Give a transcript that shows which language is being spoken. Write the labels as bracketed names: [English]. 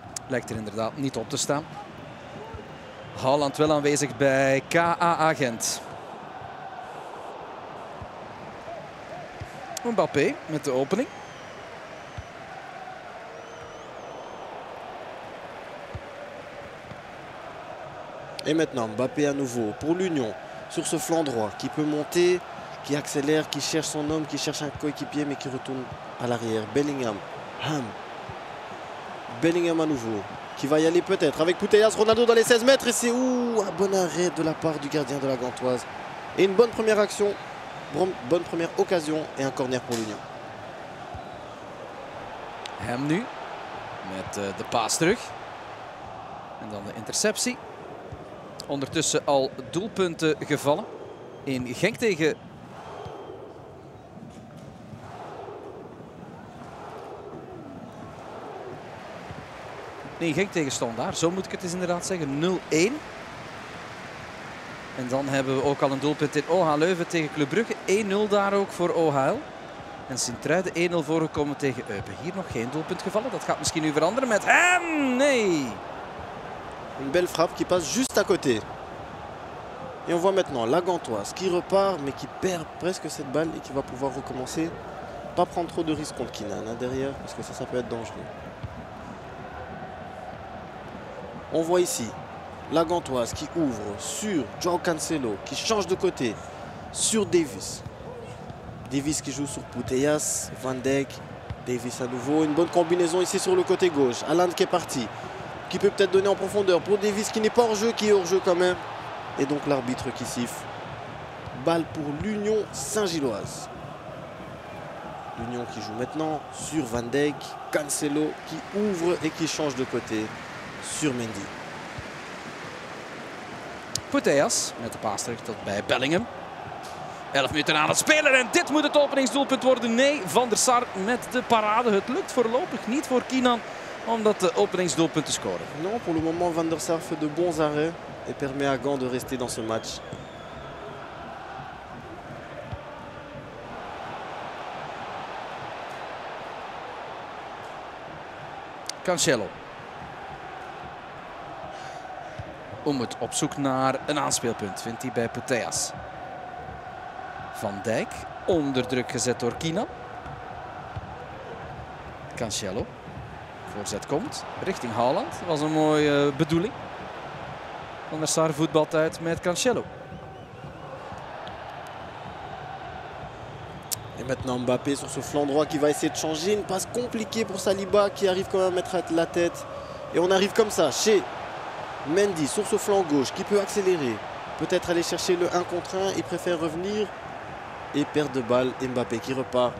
[Dutch] Lijkt er inderdaad niet op te staan. Haaland wel aanwezig bij KAA Gent. Mbappé met de opening. [French] Et maintenant Mbappé à nouveau pour l'Union. Sur ce flanc droit, qui peut monter, qui accélère, qui cherche son homme, qui cherche un coéquipier, mais qui retourne à l'arrière. Bellingham, Ham. Bellingham à nouveau, qui va y aller peut-être avec Puteyas, Ronaldo dans les 16 mètres. Et c'est ouh, un bon arrêt de la part du gardien de la Gantoise. Et une bonne première action, bonne première occasion et un corner pour l'Union. [Dutch] Ham nu, met de passe terug. En dan de interceptie. Ondertussen al doelpunten gevallen in Genk tegen Standaard, zo moet ik het eens inderdaad zeggen, 0-1. En dan hebben we ook al een doelpunt in OHL Leuven tegen Club Brugge, 1-0 daar ook voor OHL. En Sint-Truiden 1-0 voorgekomen tegen Eupen. Hier nog geen doelpunt gevallen, dat gaat misschien nu veranderen met hem, nee! [French] Une belle frappe qui passe juste à côté. Et on voit maintenant la Gantoise qui repart mais qui perd presque cette balle et qui va pouvoir recommencer. Pas prendre trop de risques contre Kinan là, derrière parce que ça, ça peut être dangereux. On voit ici la Gantoise qui ouvre sur João Cancelo qui change de côté sur Davis. Davis qui joue sur Puteyas, Van Dijk, Davis à nouveau. Une bonne combinaison ici sur le côté gauche. Alain qui est parti. Qui peut peut-être donner en profondeur pour Davis qui n'est pas hors jeu, qui est hors jeu quand même. Et donc l'arbitre qui siffle. Balle pour l'Union Saint-Gilloise. L'Union qui joue maintenant sur Van Dijk. Cancelo qui ouvre et qui change de côté sur Mendy. [Dutch] Puteyas met de passe terug tot bij Bellingham. 11 minuten aan het spelen en dit moet het openingsdoelpunt worden. Nee, Van der Sar met de parade. Het lukt voorlopig niet voor Kinan. Om dat openingsdoelpunt te scoren. [French] Non, pour le moment Van der Sar fait de bons arrêts et permet à Gant de rester dans ce match. Cancelo. [Dutch] Umut op zoek naar een aanspeelpunt, vindt hij bij Puteas. Van Dijk, onder druk gezet door Kina. Cancelo, voorzet komt, richting Haaland. Dat was een mooie bedoeling. Van der Sar voetbalt uit met Cancelo. [French] Et maintenant Mbappé sur ce flanc droit qui va essayer de changer. Une passe compliquée pour Saliba qui arrive quand même à mettre la tête. Et on arrive comme ça chez Mendy sur ce flanc gauche qui peut accélérer. Peut-être aller chercher le 1 contre 1. Il préfère revenir et perdre de balle. Mbappé qui repart.